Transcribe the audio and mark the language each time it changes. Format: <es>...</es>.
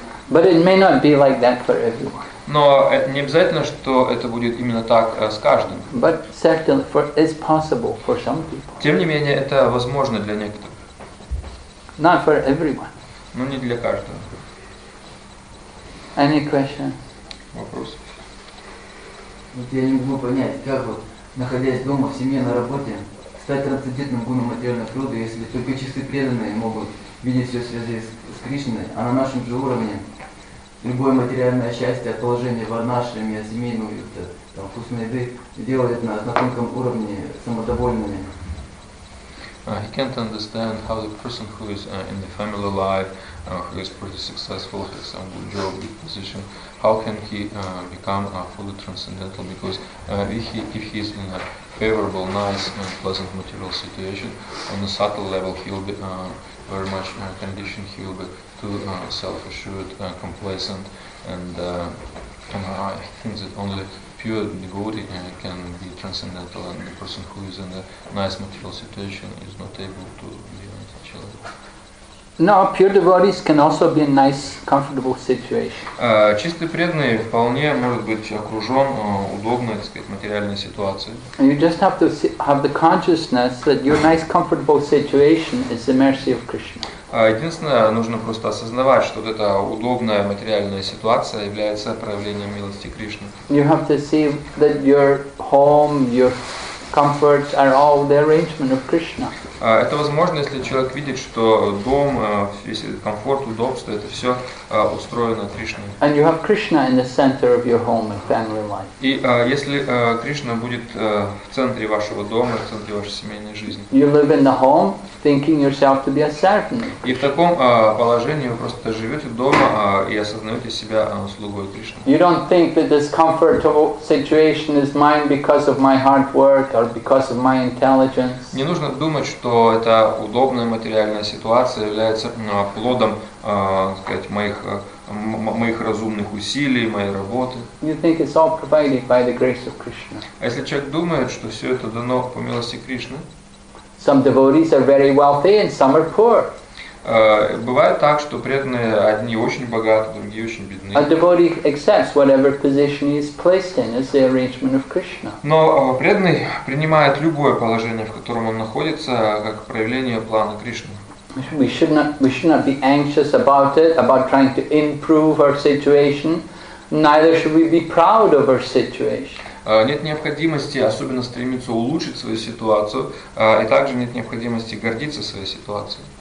<en>But it may not be like that for everyone.</en> <ru>Но это не обязательно, что это будет именно так с каждым.</ru> <en>But certainly for, it's possible for some people.</en> <ru>Тем не менее, это возможно для некоторых.</ru> <en>Not for everyone.</en> <ru>Но не для каждого.</ru> <en>Any questions?</en> <ru>Вопрос. Вот я не могу понять, как вот, находясь дома, в семье, на работе, стать трансцендентным гуну материального природы, если только чистые преданные могут видеть все в связи с Кришной, а на нашем же уровне любое материальное счастье, положение в анашраме, семейную, там, вкусной еды, делает нас на тонком уровне самодовольными.</ru> <en>He can't understand how the person who is in the family life, who is pretty successful, has some good job, good position, how can he become fully transcendental? Because if he is in a favorable, nice, and pleasant material situation, on a subtle level, he will be very much conditioned. He will be too self-assured, complacent, and I think that only pure devotee can be transcendental, and the person who is in a nice material situation is not able to be an ideal. No, pure devotees can also be in nice, comfortable situation.</en> <ru>Чистый преданный вполне может быть окружен удобной, так сказать, материальной ситуацией.</ru> <en>And you just have to have the consciousness that your nice, comfortable situation is the mercy of Krishna.</en> <ru>Единственное, нужно просто осознавать, что вот эта удобная материальная ситуация является проявлением милости Кришны.</ru> <en>You have to see that your home, your comforts are all the arrangement of Krishna.</en> <ru>Это возможно, если человек видит, что дом, весь комфорт, удобство, это все устроено Кришной.</ru> <en>And you have Krishna in the center of your home and family life.</en> <ru>И если Кришна будет в центре вашего дома, в центре вашей семейной жизни.</ru> <en>You live in the home, thinking yourself to be a servant.</en> <ru>И в таком положении вы просто живете дома и осознаете себя слугой Кришны.</ru> <en>You don't think that this comfortable situation is mine because of my hard work or because of my intelligence.</en> <ru>Не нужно думать, что эта удобная материальная ситуация является плодом, так сказать, моих разумных усилий, моей работы.</ru> <en>You think it's all provided by the grace of Krishna.</en> <ru>А если человек думает, что все это дано по милости Кришны?</ru> <en>Some devotees are very wealthy and some are poor.</en> <ru>Бывает так, что преданные одни очень богаты, другие очень бедны.</ru> <en>A devotee accepts whatever position he is placed in as the arrangement of Krishna.</en> <ru>Но преданный принимает любое положение, в котором он находится, как проявление плана Кришны.</ru> <en>We should not be anxious about it, about trying to improve our situation. Neither should we be proud of our situation.</en> <ru>Нет необходимости особенно стремиться улучшить свою ситуацию, и также нет необходимости гордиться своей ситуацией.</ru>